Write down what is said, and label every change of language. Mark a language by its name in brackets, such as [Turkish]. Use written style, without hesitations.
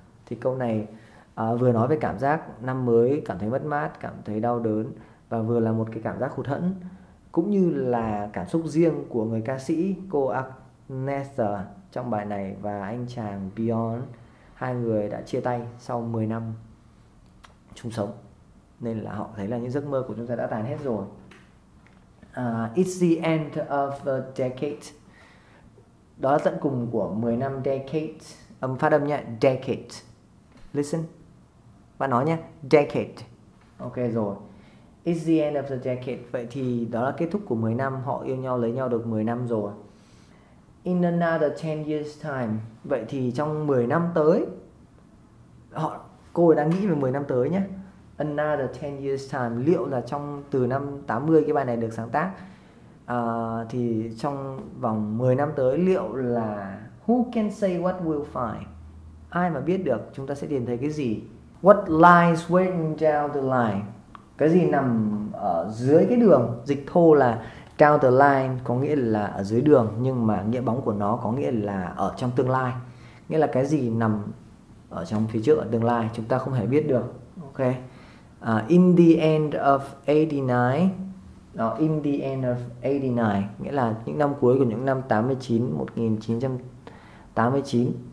[Vietnamese] Thì câu này vừa nói về cảm giác năm mới, cảm thấy mất mát, cảm thấy đau đớn, và vừa là một cái cảm giác hụt hẫng, cũng như là cảm xúc riêng của người ca sĩ cô Agnetha trong bài này và anh chàng Beyond, hai người đã chia tay sau 10 năm chung sống, nên là họ thấy là những giấc mơ của chúng ta đã tàn hết rồi. [English] It's the end of the decade. [Vietnamese] Đó là tận cùng của 10 năm decade. Âm phát âm nhé, decade. Listen. Bạn nói nhé, decade. Ok rồi. [English] It's the end of the decade. [Vietnamese] Vậy thì đó là kết thúc của 10 năm, họ yêu nhau, lấy nhau được 10 năm rồi. [English] In another 10 years time. [Vietnamese] Vậy thì trong 10 năm tới, cô ấy đang nghĩ về 10 năm tới nhé. [English] Another 10 years time, [Vietnamese] liệu là trong từ năm 80 cái bài này được sáng tác, thì trong vòng 10 năm tới, liệu là [English] who can say what we'll find? [Vietnamese] Ai mà biết được chúng ta sẽ tìm thấy cái gì? [English] What lies waiting down the line? [Vietnamese] Cái gì nằm ở dưới cái đường? Dịch thô là [English] down the line [Vietnamese] có nghĩa là ở dưới đường, nhưng mà nghĩa bóng của nó có nghĩa là ở trong tương lai. Nghĩa là cái gì nằm ở trong phía trước, ở tương lai chúng ta không hề biết được. Ok. [English] In the end of 89. [Vietnamese] Đó, [English] in the end of 89 [Vietnamese] nghĩa là những năm cuối của những năm 89, 1989.